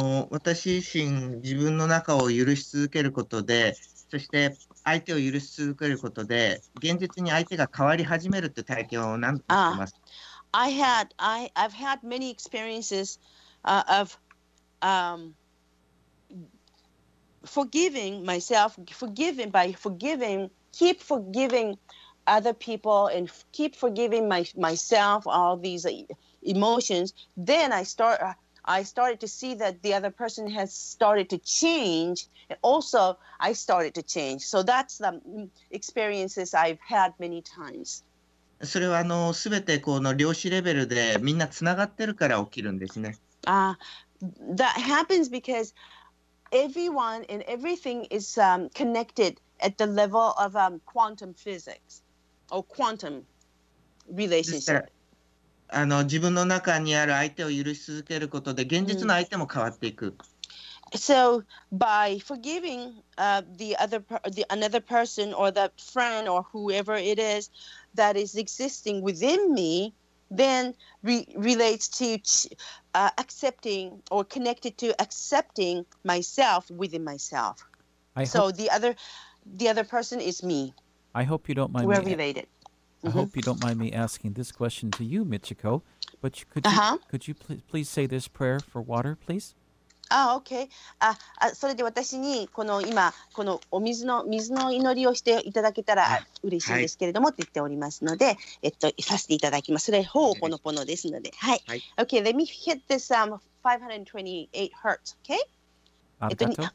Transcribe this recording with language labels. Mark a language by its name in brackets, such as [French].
[Japanese] 私自身、自分の中を許し続けることで、そして相手を許し続けることで、現実に相手が変わり始めるって体験を何度かしています。 [English] I've had many experiences forgiving myself, keep forgiving other people and keep forgiving myself all these emotions, then I started to see that the other person has started to change. Also, I started to change. So that's the experiences I've had many times. [Japanese] それはすべてこの量子レベルでみんなつながってるから起きるんですね。 [English] That happens becauseEveryone and everything is connected at the level of quantum physics or quantum relationship. [Japanese] 自分の中にある相手を許し続けることで現実の相手も変わっていく。 [English] So by forgiving another person or that friend or whoever it is that is existing within me, then relates to accepting or connected to accepting myself within myself. So the other person is me. I hope you don't mind We're related. I hope you don't mind me asking this question to you, Michiko, but could you, could you please say this prayer for water, please? Ah, okay. [Japanese] Ah, それで私にこの今このお水の水の祈りをしていただけたら嬉しいんですけれどもって言っておりますので、させていただきます。それほおぽのぽのですので、はい。 [English] はい、okay, let me hit this 528 Hz, okay?